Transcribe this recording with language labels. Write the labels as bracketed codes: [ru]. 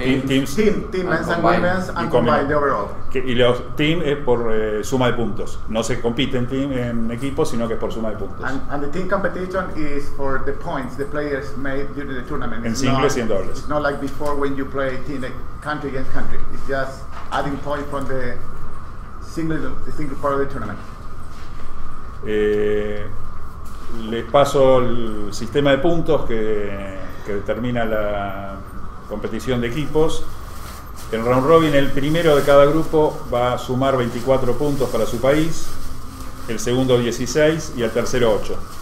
[en] Teams, combined, and women's, and combined, the overall. [es] Y los team es por suma de puntos. No se compite en team en equipo, sino que es por suma de puntos. [en] And the team competition is for the points the players made during the tournament. [es] En singles y en dobles. [en] It's not like before when you play team country against country. It's just adding points from the single part of the tournament. [es] Les paso el sistema de puntos que determina la competición de equipos. En round robin, el primero de cada grupo va a sumar 24 puntos para su país, el segundo 16 y el tercero 8.